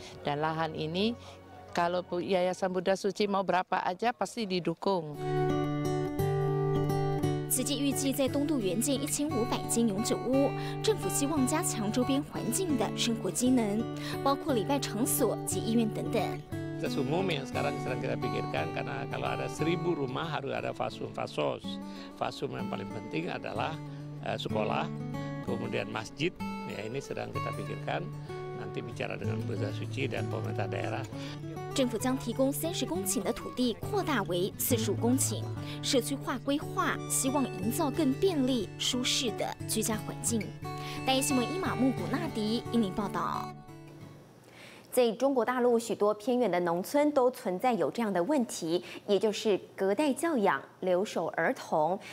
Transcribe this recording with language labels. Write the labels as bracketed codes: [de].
[id] Dan lahan ini, kalau Yayasan Buddha Suci mau berapa aja pasti didukung. [zh] 慈济预计在东渡援建1500间永久屋，政府希望加强周边环境的生活机能，包括礼拜场所及医院等等。 [id] Kita sumum yang sekarang sedang kita pikirkan, karena kalau ada 1000 rumah harus ada fasum-fasos. Fasum yang paling penting adalah sekolah, kemudian masjid. Ya, ini sedang kita pikirkan, nanti bicara dengan Buddha Suci dan pemerintah daerah. [zh] 政府将提供30公顷的土地扩大为45公顷，社区化规划，希望营造更便利舒适的居家环境。大爱新闻伊玛目古纳迪印尼报道。在中国大陆许多偏远的农村都存在有这样的问题，也就是隔代教养留守儿童。